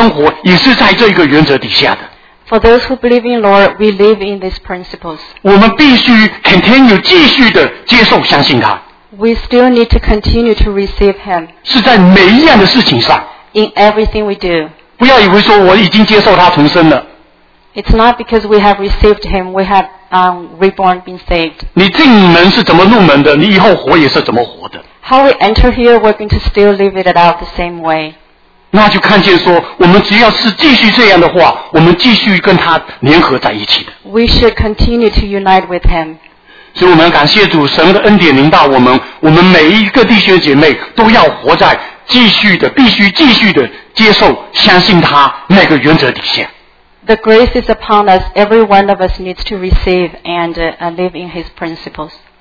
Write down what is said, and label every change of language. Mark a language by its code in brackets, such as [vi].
[zh] 所以我们感谢主,我们今天相信主耶稣的能,我们今天的生活也是在这个原则底下的。 [en] For those who believe in Lord, we live in these principles. [zh] 我们必须 [en] continue [zh] 继续的接受相信他。 [en] We still need to continue to receive Him. [zh] 是在每一样的事情上。 [en] In everything we do. [zh] 不要以为说我已经接受他重生了。 [en] It's not because we have received Him, we have reborn, been saved. [zh] 你进门是怎么入门的, 你以后活也是怎么活的。 [en] How we enter here, we're going to still live it out the same way. [zh] 那就看见说, 我们只要是继续这样的话, 我们继续跟他联合在一起的。 [en] We should continue to unite with Him. [zh] 所以我们感谢主神的恩典临到我们, 我们每一个弟兄姐妹, 都要活在, 继续的, 必须继续的, 接受相信他, 那个原则底下。 [en] The grace is upon us, every one of us needs to receive and live in His principles.